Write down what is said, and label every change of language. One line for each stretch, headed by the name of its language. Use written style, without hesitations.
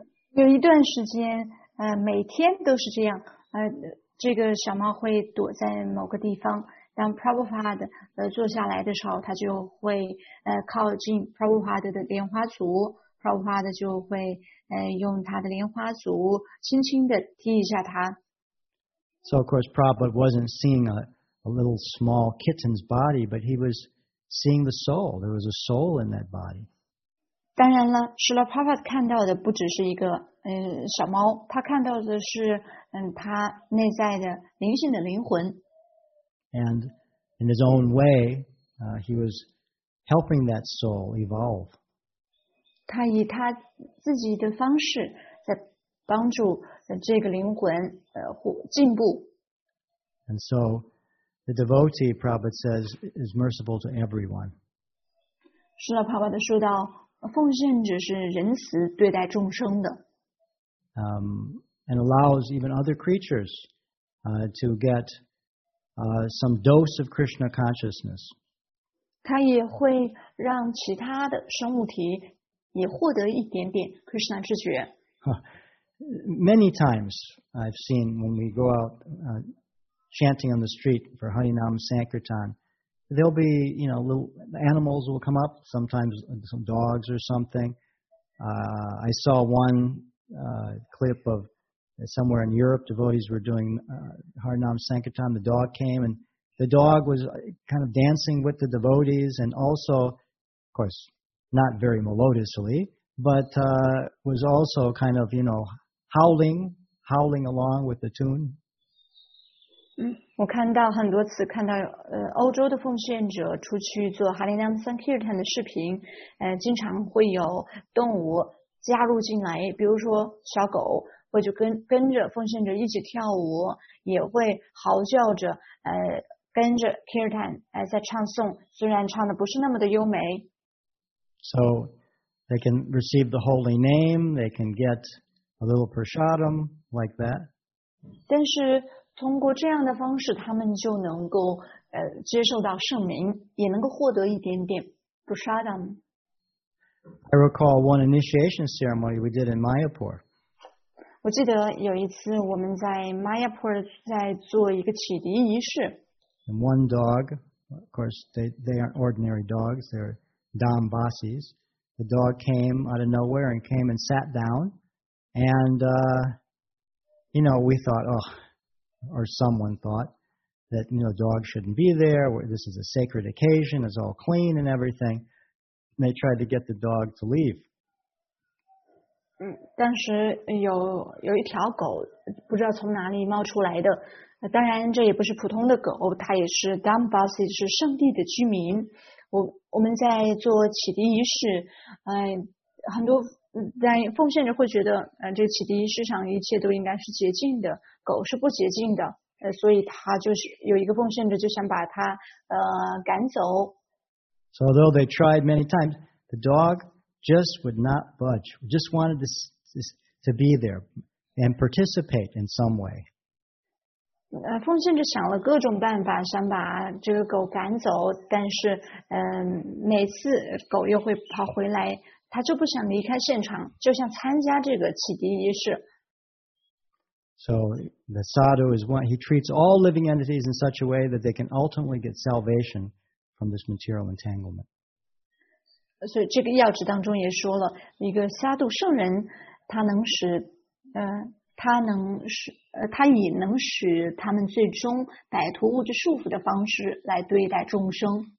Chinese: 有一段时间，每天都是这样，这个小猫会躲在某个地方。当 Prabhupada 坐下来的时候，他就会靠近 Prabhupada 的莲花足， Prabhupada 就会用他的莲花足轻轻地踢一下他。
English: So of course Prabhupada wasn't seeing a little small kitten's body, but he was seeing the soul. There was a soul in that body.
Chinese: 当然了，Srila Prabhupada 看到的不只是一个小猫，他看到的是他内在的灵性的灵魂。
English: And in his own way, he was helping that soul evolve.
Chinese: 他以他自己的方式在帮助这个灵魂进步。
English: And so the devotee, Prabhupada says, is merciful to everyone.
Chinese: 是了，Prabhupada说到，奉献者是仁慈对待众生的。
English: And allows even other creatures to get some dose of Krishna consciousness.
Chinese: 他也会让其他的生物体也获得一点点 Krishna 知觉。
English: Many times I've seen when we go out chanting on the street for Harinam Sankirtan, there'll be, you know, little animals will come up, sometimes some dogs or something. I saw one clip of somewhere in Europe, devotees were doing Harinam Sankirtan. The dog came, and the dog was kind of dancing with the devotees, and also, of course, not very melodiously, but was also kind of, you know, howling along with the tune.
Chinese: 我看到很多次看到欧洲的奉献者出去做哈林娘三 Kirtan 的视频，经常会有动物加入进来，比如说小狗或者跟着奉献者一起跳舞，也会嚎叫着跟着 Kirtan 在唱诵，虽然唱的不是那么的优美。
English: So they can receive the holy name, they can get a little prasadam like that.
Chinese: 但是通过这样的方式，他们就能够接受到圣名，也能够获得一点点 prasadam。
English: I recall one initiation ceremony we did in Mayapur.
Chinese: 我记得有一次我们在 Mayapur 在做一个启迪仪式。
English: And one dog, of course, they aren't ordinary dogs, they're Dambasis. The dog came out of nowhere and came and sat down. And, you know, we thought, oh, or someone thought that, you know, dogs shouldn't be there. This is a sacred occasion, it's all clean and everything. And they tried to get the dog to leave.
Chinese: 当时有一条狗不知道从哪里冒出来的，当然这也不是普通的狗，它也是 Dambasi， 是圣地的居民。我们在做启迪仪式，很多在奉献者会觉得，这个启迪仪式上一切都应该是洁净的，狗是不洁净的，所以他就是有一个奉献者就想把它赶走。
English: So although they tried many times, the dog just would not budge. Just wanted to be there and participate in some way.
Chinese: 奉献者想了各种办法想把这个狗赶走，但是每次狗又会跑回来，他就不想离开现场，就想参加这个启迪仪式。
English: So the sadhu is one. He treats all living entities in such a way that they can ultimately get salvation from this material entanglement.
Chinese: 所以这个要旨当中也说了，一个沙度圣人，他以能使他们最终摆脱物质束缚的方式来对待众生。